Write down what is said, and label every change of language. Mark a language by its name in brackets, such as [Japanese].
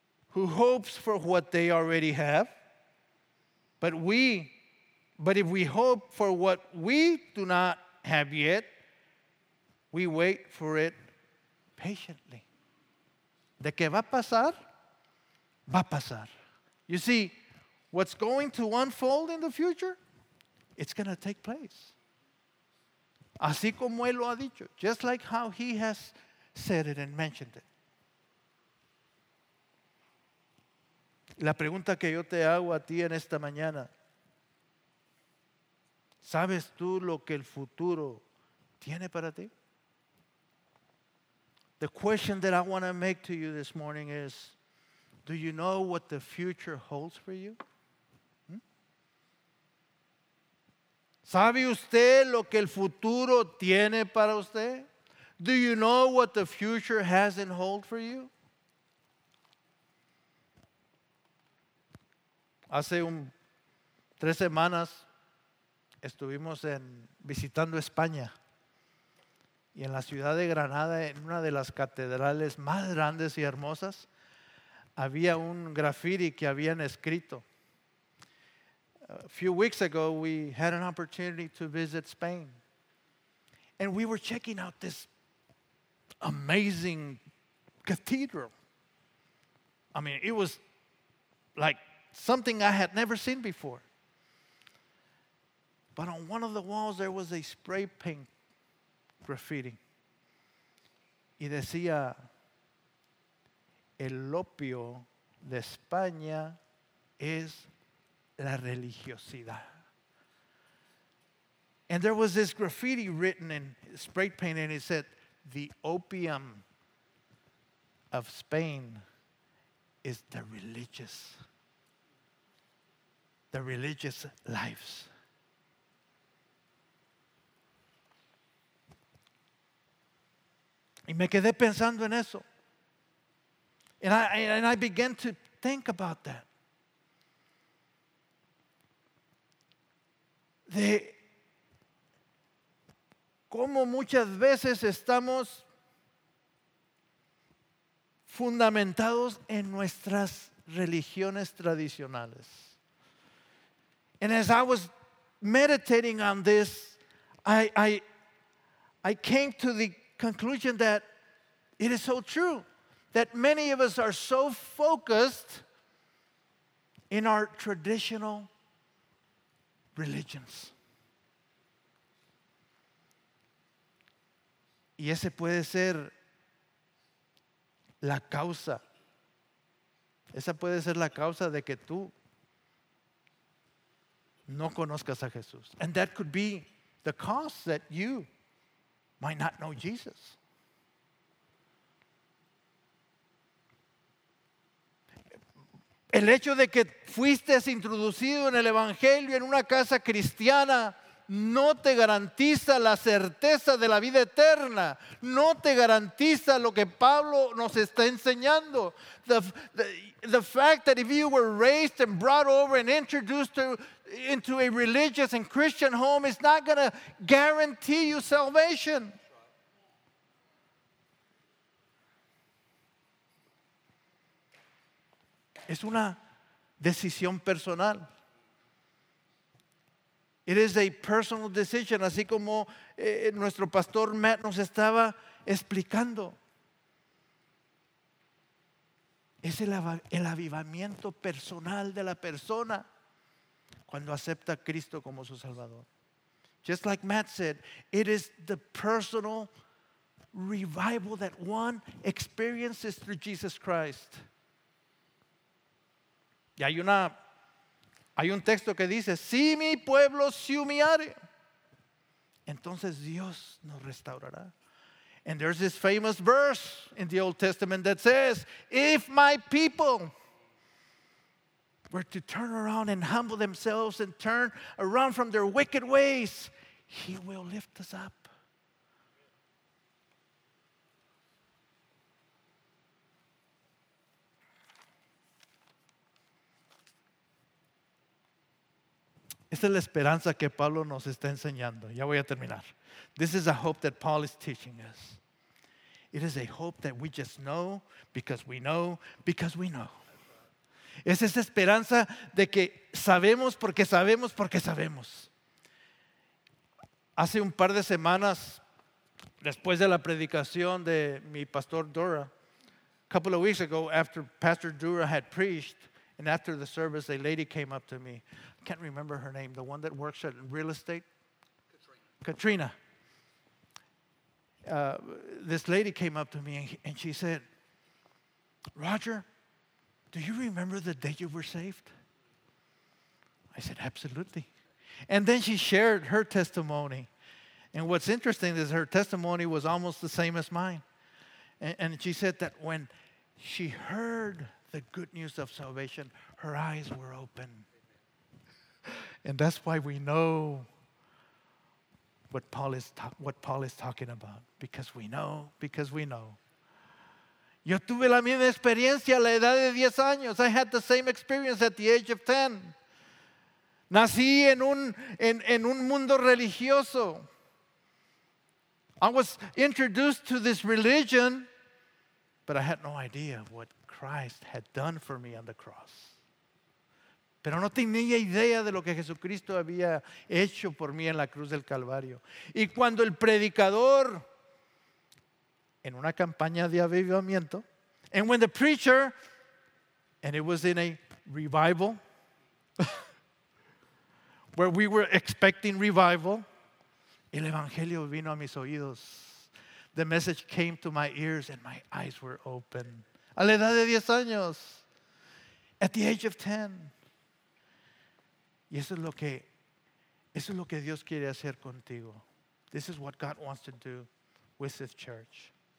[English] Who hopes for what they already have? But if we hope for what we do not have yet, we wait for it patiently. [Spanish] ¿De qué va a pasar? Va a pasar. [English] You see, what's going to unfold in the future, it's going to take place. [Spanish] Así como Él lo ha dicho, [English] just like how He has said it and mentioned it. [Spanish] La pregunta que yo te hago a ti en esta mañana, ¿sabes tú lo que el futuro tiene para ti? [English] The question that I want to make to you this morning is, do you know what the future holds for you? [Spanish] ¿Sabe usted lo que el futuro tiene para usted? [English] Do you know what the future has in hold for you? [Spanish] Hace 3 semanas, estuvimos visitando España y en la ciudad de Granada, en una de las catedrales más grandes y hermosas, había un graffiti que habían escrito. [English] A few weeks ago, we had an opportunity to visit Spain. And we were checking out this amazing cathedral. I mean, it was like something I had never seen before. But on one of the walls, there was a spray paint graffiti. [Spanish] Y decía, el opio de España es la religiosidad. [English] And there was this graffiti written in spray paint, and it said, the opium of Spain is the religious lives. [Spanish] Y me quedé pensando en eso. [English] And I began to think about that. [Spanish] De cómo muchas veces estamos fundamentados en nuestras religiones tradicionales. [English] And as I was meditating on this, I came to the conclusion that it is so true that many of us are so focused in our traditional religions. [Spanish] Y ese puede ser la causa. Esa puede ser la causa de que tú no conozcas a Jesús. [English] And that could be the cause that you might not know Jesus. [Spanish] El hecho de que fuiste introducido en el Evangelio en una casa cristiana no te garantiza la certeza de la vida eterna. No te garantiza lo que Pablo nos está enseñando. [English] The fact that if you were raised and brought over and introduced into a religious and Christian home is not going to guarantee you salvation. [Spanish] Es una decisión personal. [English] It is a personal decision, [Spanish] así como nuestro pastor Matt nos estaba explicando. Es el avivamiento personal de la persona cuando acepta a Cristo como su Salvador. [English] Just like Matt said, it is the personal revival that one experiences through Jesus Christ. [Spanish] Y hay un texto que dice, si mi pueblo se humillare, entonces Dios nos restaurará. [English] And there's this famous verse in the Old Testament that says, if my people were to turn around and humble themselves and turn around from their wicked ways, he will lift us up. [Spanish] Esta es la esperanza que Pablo nos está enseñando. Ya voy a terminar. [English] This is a hope that Paul is teaching us. It is a hope that we just know because we know because we know. [Spanish] Es esa esperanza de que sabemos porque sabemos porque sabemos. Hace un par de semanas, después de la predicación de mi pastor Dura, [English] a couple of weeks ago, after Pastor Dura had preached, and after the service, a lady came up to me. I can't remember her name. The one that works at real estate? Katrina. This lady came up to me and she said, Roger, do you remember the day you were saved? I said, absolutely. And then she shared her testimony. And what's interesting is her testimony was almost the same as mine. And she said that when she heard the good news of salvation, her eyes were open. And that's why we know what Paul is talking about. Because we know, because we know. [Spanish] Yo tuve la misma experiencia a la edad de 10 años. [English] I had the same experience at the age of 10. [Spanish] Nací en un mundo religioso. [English] I was introduced to this religion, but I had no idea what Christ had done for me on the cross. [Spanish] Pero no tenía idea de lo que Jesucristo había hecho por mí en la cruz del Calvario. Y cuando el predicador, en una campaña de avivamiento, [English] and when the preacher, and it was in a revival, where we were expecting revival, [Spanish] el evangelio vino a mis oídos. [English] The message came to my ears and my eyes were open. [Spanish] A la edad de 10 años. [English] At the age of 10. [Spanish] Y eso es lo que Dios quiere hacer contigo. [English] This is what God wants to do with this church.